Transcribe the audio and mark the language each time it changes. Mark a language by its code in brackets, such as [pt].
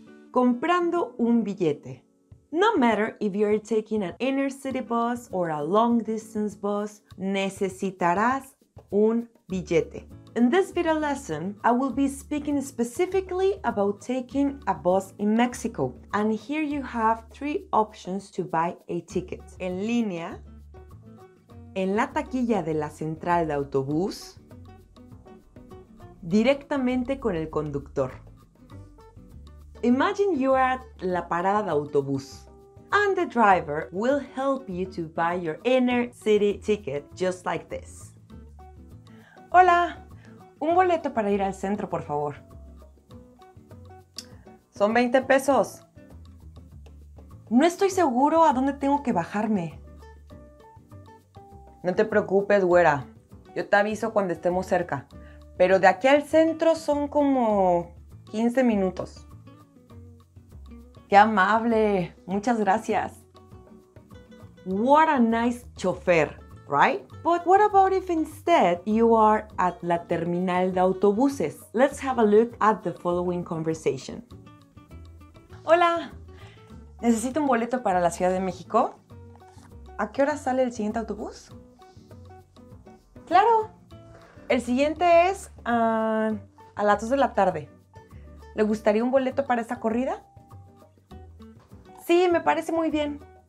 [es] Comprando un billete. [en] No matter if you're taking an inner city bus or a long distance bus, [es] necesitarás un billete. [en] In this video lesson, I will be speaking specifically about taking a bus in Mexico. And here you have three options to buy a ticket. [es] En línea, en la taquilla de la central de autobús, directamente con el conductor. [en] Imagine you are at [es] la parada de autobús [en] and the driver will help you to buy your inner city ticket just like this. [es] Hola, un boleto para ir al centro, por favor. Son 20 pesos. No estoy seguro a dónde tengo que bajarme. No te preocupes, güera. Yo te aviso cuando estemos cerca. Pero de aquí al centro son como 15 minutos. ¡Qué amable! ¡Muchas gracias! [en] What a nice chofer, right? But what about if instead you are at [es] la terminal de autobuses? [en] Let's have a look at the following conversation. [es] Hola, necesito un boleto para la Ciudad de México. ¿A qué hora sale el siguiente autobús? ¡Claro! El siguiente es a las 2 de la tarde. ¿Le gustaría un boleto para esa corrida? Sí, me parece muy bien.